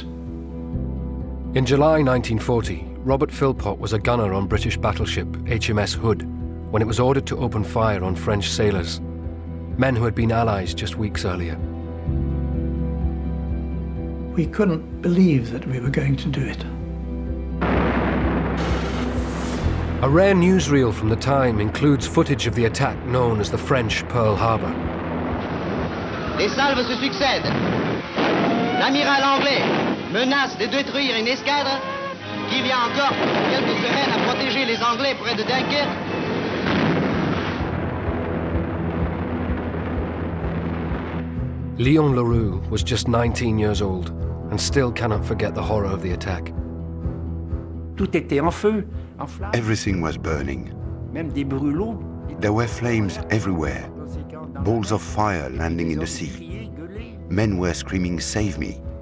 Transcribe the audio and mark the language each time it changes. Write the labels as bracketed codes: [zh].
[en] In July 1940, Robert Philpott was a gunner on British battleship HMS Hood when it was ordered to open fire on French sailors, men who had been allies just weeks earlier. We couldn't believe that we were going to do it. A rare newsreel from the time includes footage of the attack known as the French Pearl Harbor. [fr] Les salves se succèdent. L'amiral anglais menace de détruire une escadre qui vient encore quelques semaines à protéger les Anglais près de Dunkerque. [en] Léon Leroux was just 19 years old and still cannot forget the horror of the attack. [fr] Tout était en feu. [en] Everything was burning. There were flames everywhere. Balls of fire landing in the sea. Men were screaming, "Save me!"